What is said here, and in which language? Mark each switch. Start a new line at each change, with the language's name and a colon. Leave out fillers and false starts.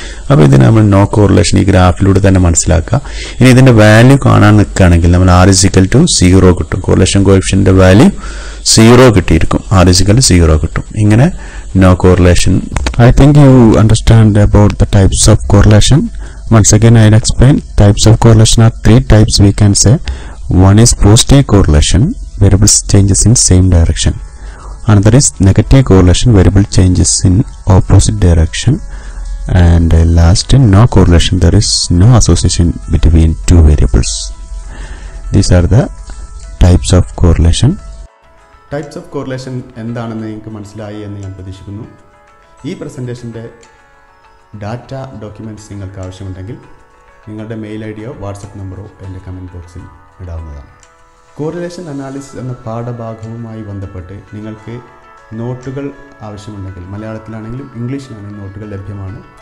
Malayalam: അപ്പോൾ ഇതിന് നമ്മൾ നോ കോറിലേഷൻ ഈ ഗ്രാഫിലൂടെ തന്നെ മനസ്സിലാക്കുക. ഇനി ഇതിൻ്റെ വാല്യൂ കാണാൻ നിൽക്കുകയാണെങ്കിൽ നമ്മൾ R=0 കിട്ടും, കോറിലേഷൻ കോഫിഷ്യന്റിൻ്റെ വാല്യൂ 0 കിട്ടിയിരിക്കും, R=0 കിട്ടും. ഇങ്ങനെ
English: No correlation. I think you understand about the types of correlation. Once again, I'll explain. Types of correlation are 3 types, we can say. One is positive correlation, variables changes in same direction. Another is negative correlation, variable changes in opposite direction. And last, no correlation, there is no association between two variables. These are the types of correlation.
Malayalam: Types of correlation endanannu ningalku manasilayi ennu njan pratheekshikkunnu. Ee presentation de data documents നിങ്ങൾക്ക് ആവശ്യമുണ്ടെങ്കിൽ നിങ്ങളുടെ mail ഐഡിയോ WhatsApp നമ്പറോ എൻ്റെ comment ബോക്സിൽ ഇടാവുന്നതാണ്. Correlation analysis എന്ന പാഠഭാഗവുമായി ബന്ധപ്പെട്ട് നിങ്ങൾക്ക് നോട്ടുകൾ ആവശ്യമുണ്ടെങ്കിൽ, മലയാളത്തിലാണെങ്കിലും ഇംഗ്ലീഷിലാണെങ്കിലും നോട്ടുകൾ ലഭ്യമാണ്.